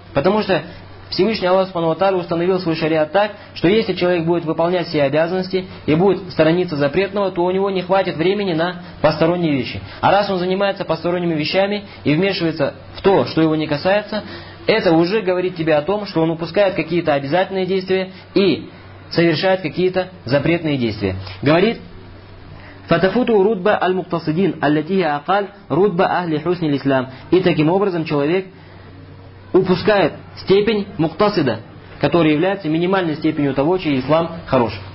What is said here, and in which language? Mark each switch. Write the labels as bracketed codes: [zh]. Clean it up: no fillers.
[ru] Потому что Всевышний Аллах Субхану ва Тааля установил свой шариат так, что если человек будет выполнять все обязанности и будет сторониться запретного, то у него не хватит времени на посторонние вещи. А раз он занимается посторонними вещами и вмешивается в то, что его не касается, это уже говорит тебе о том, что он упускает какие-то обязательные действия и совершает какие-то запретные действия. Говорит, [ar] فتفوت رتبة المقتصدين التي هي أقل رتبة أهل حسن الإسلام. [ru] И таким образом человек упускает степень муктасида, которая является минимальной степенью того, чей ислам хорош.